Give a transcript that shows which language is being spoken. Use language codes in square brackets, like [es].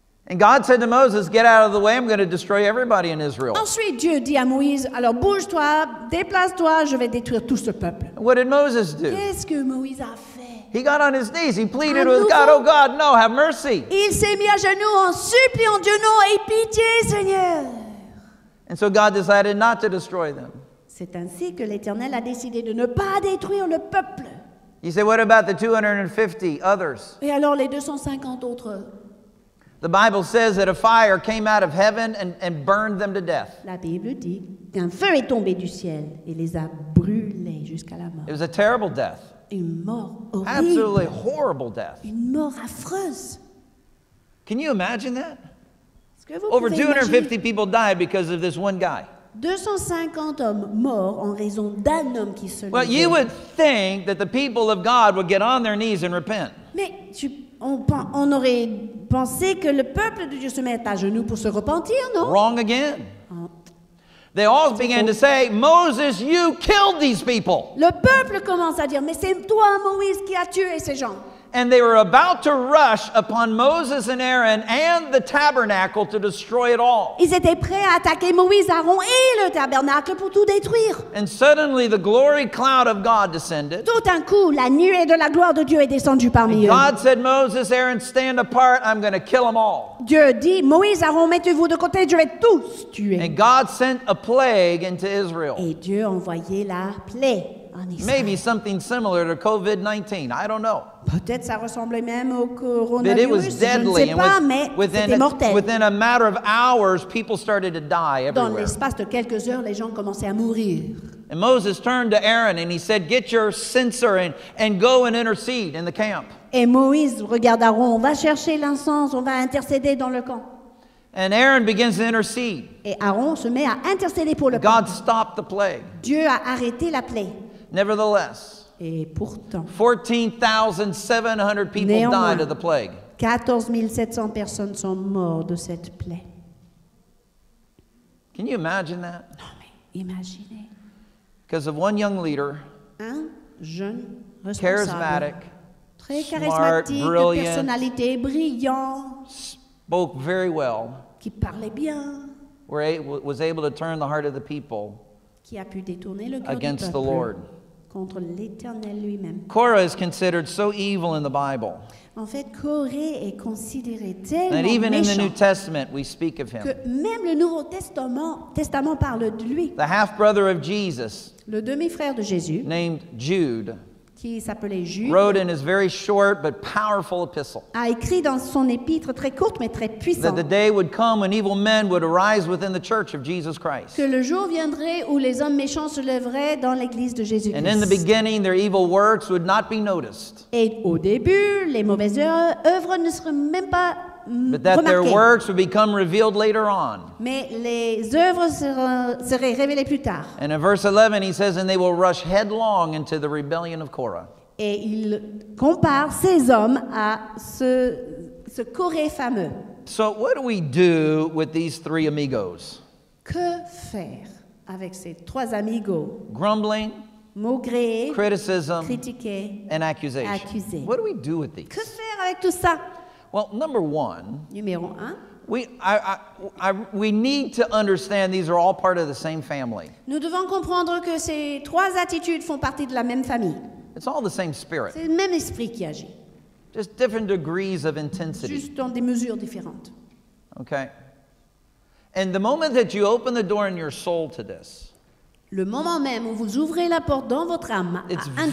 [en] And God said to Moses, get out of the way, I'm going to destroy everybody in Israel. [fr] Ensuite, Dieu dit à Moïse, alors bouge-toi, déplace-toi, je vais détruire tout ce peuple. [en] What did Moses do? [fr] Qu'est-ce que Moïse a fait? [en] He got on his knees, he pleaded with God, oh God, no, have mercy. [fr] Il s'est mis à genoux en suppliant Dieu, non, aie pitié, Seigneur. [en] And so God decided not to destroy them. [fr] C'est ainsi que l'Éternel a décidé de ne pas détruire le peuple. [en] He said, what about the 250 others? [fr] Et alors les 250 autres? [en] The Bible says that a fire came out of heaven and burned them to death. [fr] La Bible dit qu'un feu est tombé du ciel et les a brûlés jusqu'à la mort. [en] It was a terrible death. [fr] Une mort horrible. [en] Absolutely horrible death. [fr] Une mort affreuse. [en] Can you imagine that? Over 250 people died because of this one guy. [fr] 250 hommes morts en raison d'un homme qui se levait. [en] Well, you would think that the people of God would get on their knees and repent. [fr] Mais on aurait pensé que le peuple de Dieu se mette à genoux pour se repentir, non? [en] Wrong again. They all began to say, Moses, you killed these people. [fr] Le peuple commence à dire, mais c'est toi, Moïse, qui a tué ces gens. [en] And they were about to rush upon Moses and Aaron and the tabernacle to destroy it all. [fr] Ils étaient prêts à attaquer Moïse, Aaron et le tabernacle pour tout détruire. [en] And suddenly the glory cloud of God descended. [fr] Tout d'un coup, la nuée de la gloire de Dieu est descendue parmi eux. [en] God said, Moses, Aaron, stand apart, I'm going to kill them all. [fr] Dieu dit, Moïse, Aaron, mettez-vous de côté, je vais tous tuer. [en] And God sent a plague into Israel. [fr] Et Dieu envoyait la plaie. [en] Maybe something similar to COVID-19. I don't know. [fr] Peut-être ça ressemblait même au coronavirus. [en] But it was deadly. Within a matter of hours, people started to die everywhere. [fr] Dans l'espace de quelques heures, les gens commençaient à mourir. [en] And Moses turned to Aaron and he said, "Get your censer and go and intercede in the camp." [fr] Et Moïse regarda Aaron. On va chercher l'encens. On va intercéder dans le camp. [en] And Aaron begins to intercede. [fr] Et Aaron se met à intercéder pour le camp. [en] God stopped the plague. [fr] Dieu a arrêté la plaie. [en] Nevertheless, 14,700 people died of the plague. [fr] 14,700 personnes sont mortes de cette plaie. [en] Can you imagine that? [fr] Non, mais imaginez. [en] Because of one young leader, [fr] un jeune responsable, [en] charismatic, [fr] très charismatique, [en] smart, [fr] de personnalité brillant, [en] spoke very well, [fr] qui parlait bien, [en] was able to turn the heart of the people [fr] qui a pu détourner le cœur [en] against [fr] du peuple. [en] The Lord. [fr] Contre l'Éternel lui-même. [en] Korah is considered so evil in the Bible. [fr] En fait, Korah est considéré tellement [en] That even in the New Testament we speak of him. [fr] Que même le Nouveau Testament parle de lui. [en] The half brother of Jesus. [fr] Le demi-frère de Jésus. [en] Named Jude. [fr] Qui s'appelait Jude. [en] Wrote in his very short but powerful epistle. [fr] A écrit dans son épître très courte mais très puissante. [en] That the day would come when evil men would arise within the church of Jesus Christ. [fr] Que le jour viendrait où les hommes méchants se lèveraient dans l'église de Jésus-Christ. [en] And in the beginning their evil works would not be noticed. [fr] Et au début les mauvaises œuvres ne seraient même pas remarquées. [en] But that their works would become revealed later on. [fr] Mais les œuvres seraient révélées plus tard. [en] And in verse 11 he says, and they will rush headlong into the rebellion of Korah. [fr] Et il compare ces hommes à ce Korah fameux. [en] So what do we do with these three amigos? [fr] Que faire avec ces trois amigos? [en] Grumbling, [fr] maugréer, [en] criticism, [fr] critiquer, [en] and accusation. [fr] Accuser. [en] What do we do with these? [fr] Que faire avec tout ça? [en] Well, number one, [fr] numéro un, [en] we need to understand these are all part of the same family. [fr] Nous devons comprendre que ces trois attitudes font partie de la même famille. [en] It's all the same spirit. [fr] C'est le même esprit qui agit. [en] Just different degrees of intensity. [fr] Juste dans des mesures différentes. [en] Okay. And the moment that you open the door in your soul to this, [fr] le moment même où vous ouvrez la porte dans votre âme à un de